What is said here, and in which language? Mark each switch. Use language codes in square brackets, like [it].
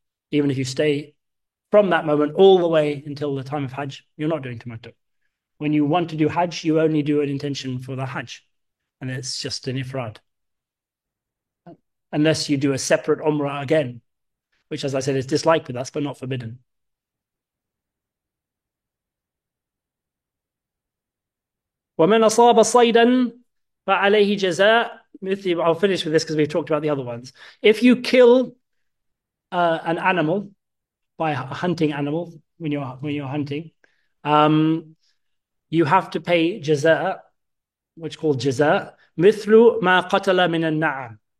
[en] Even if you stay from that moment all the way until the time of Hajj, you're not doing tamattu. When you want to do Hajj, you only do an intention for the Hajj, and it's just an ifrad. Unless you do a separate Umrah again, which, as I said, is disliked with us, but not forbidden. [ar] ومن أصاب صيدا فعليه جزاء مثل. [en] I'll finish with this because we've talked about the other ones. If you kill an animal by a hunting animal when you're hunting, you have to pay jazaa, which is called jazaa, mithlu ma qatala min an-na'am.